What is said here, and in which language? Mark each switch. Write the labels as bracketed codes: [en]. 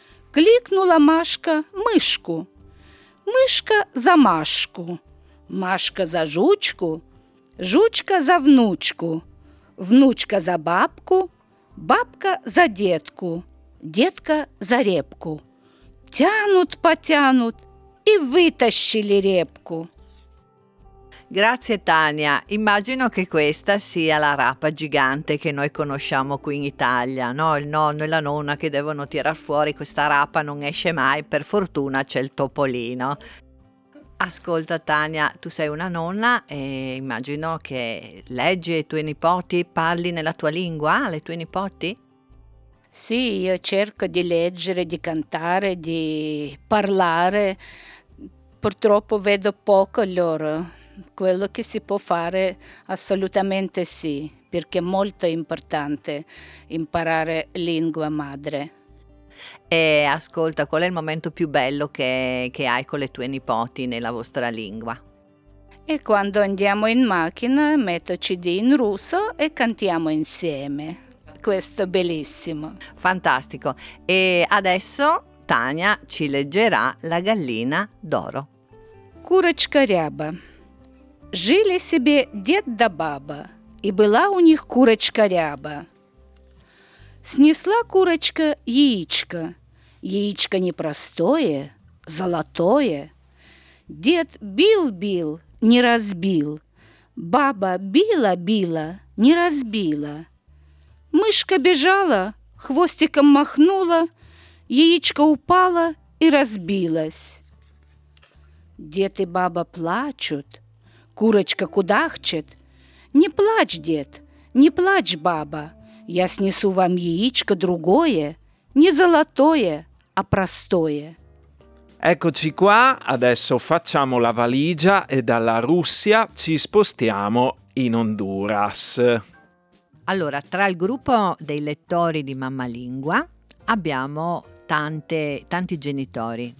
[ru] Кликнула Машка мышку. Мышка за Машку, Машка за жучку, жучка за внучку, внучка за бабку, бабка за детку, детка за репку. Тянут, потянут и вытащили репку. [it] Grazie Tania, immagino che questa sia la rapa gigante che noi conosciamo qui in Italia, no? Il nonno e la nonna che devono tirar fuori questa rapa, non esce mai, per fortuna c'è il topolino. Ascolta Tania, tu sei una nonna e immagino che leggi ai tuoi nipoti, parli nella tua lingua ai tuoi nipoti? Sì, io cerco di leggere, di cantare, di parlare, purtroppo vedo poco loro. Quello che si può fare assolutamente sì, perché è molto importante imparare lingua madre. E ascolta, qual è il momento più bello che hai con le tue nipoti nella vostra lingua? E quando andiamo in macchina, metto CD in russo e cantiamo insieme. Questo è bellissimo. Fantastico. E adesso Tania ci leggerà La gallina d'oro. [ru] Курочка ряба. Жили себе дед да баба, и была у них курочка ряба. Снесла курочка яичко, яичко непростое, золотое. Дед бил-бил, не разбил. Баба била-била, не разбила. Мышка бежала, хвостиком махнула, яичко упало и разбилось. Дед и баба плачут, курочка кудахчет. Не плачь, дед, не плачь, баба. Я снесу вам яичко другое, не золотое, а простое. [it] Eccoci qua, adesso facciamo la valigia e dalla Russia ci spostiamo in Honduras. Allora, tra il gruppo dei lettori di Mamma Lingua abbiamo tanti genitori.